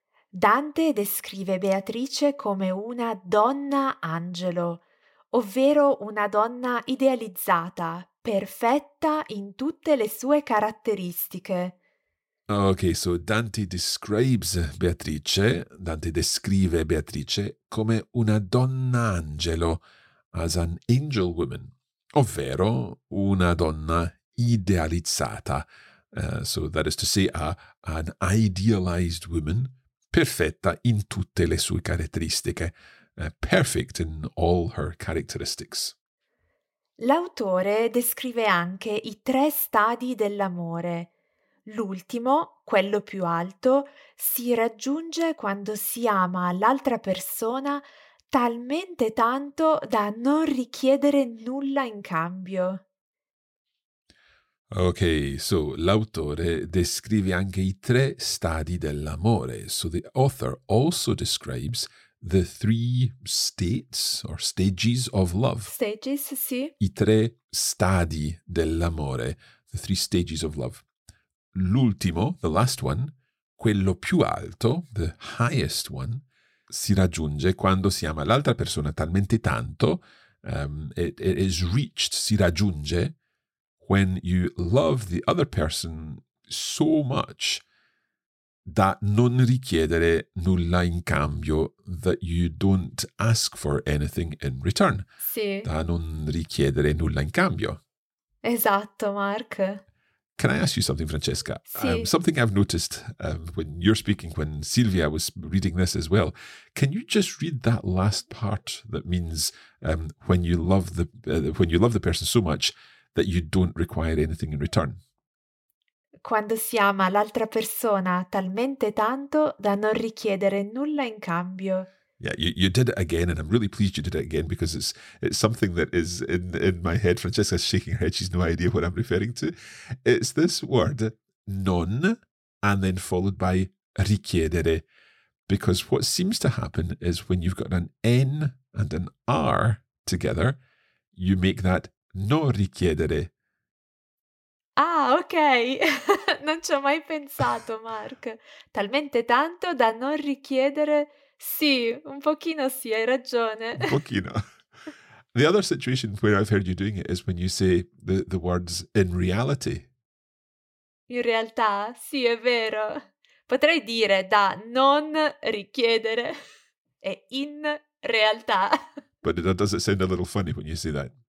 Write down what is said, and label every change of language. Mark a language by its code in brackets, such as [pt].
[it] Dante descrive Beatrice come una donna angelo, ovvero una donna idealizzata, perfetta in tutte le sue caratteristiche. Okay, so Dante descrive Beatrice come una donna angelo, [en] as an angel woman, [it] ovvero una donna idealizzata. [en] So that is to say, an idealized woman, [it] perfetta in tutte le sue caratteristiche, [en] perfect in all her characteristics. [it] L'autore descrive anche i tre stadi dell'amore. L'ultimo, quello più alto, si raggiunge quando si ama l'altra persona talmente tanto da non richiedere nulla in cambio. Ok, so l'autore descrive anche i tre stadi dell'amore. [en] So the author also describes the three states or stages of love. Stages, [it] sì. I tre stadi dell'amore, [en] the three stages of love. [it] L'ultimo, [en] the last one, [it] quello più alto, [en] the highest one, [it] si raggiunge quando si ama l'altra persona talmente tanto, si raggiunge, [en] when you love the other person so much [it] da non richiedere nulla in cambio, [en] that you don't ask for anything in return. [it] Sì. Da non richiedere nulla in cambio. Esatto, Mark. [en] Can I ask you something, Francesca? [it] Sì. [en] Something I've noticed when you're speaking, when Silvia was reading this as well. Can you just read that last part that means when you love the person so much that you don't require anything in return? [it] Quando si ama l'altra persona talmente tanto da non richiedere nulla in cambio. [en] Yeah, you did it again, and I'm really pleased you did it again, because it's something that is in my head. Francesca's shaking her head. She's no idea what I'm referring to. It's this word, non, and then followed by richiedere. Because what seems to happen is when you've got an N and an R together, you make that no richiedere. Ah, ok. [it] Non ci ho mai pensato, Mark. Talmente tanto da non richiedere... Sì, un pochino sì, hai ragione. Un pochino. [en] The other situation where I've heard you doing it is when you say the words in reality. [it] In realtà, sì, è vero. Potrei dire da non richiedere e in realtà. [en] But does it sound a little funny when you say that?